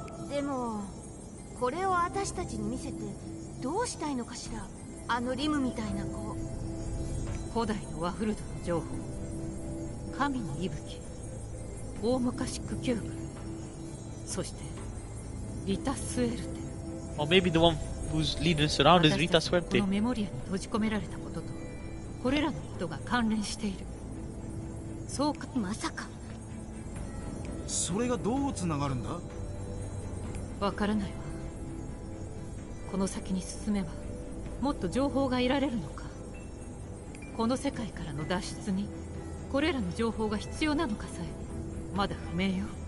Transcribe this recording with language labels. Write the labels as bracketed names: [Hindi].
[Japanese] でもこれを私たちに見せてどうしたいのかしら。あのリムみたいな子、古代のワフルドの情報、神の息吹、大昔クキューブ、そしてリタスエルテ。 [English] Or maybe the one who's leading us around is Rita Suerte. [Japanese] 私たちこのメモリアに閉じ込められたこととこれらのことが関連している。そうか、まさか。それがどうつながるんだ。わからないわ。この先に進めばもっと情報が得られるのか、この世界からの脱出にこれらの情報が必要なのかさえまだ不明よ。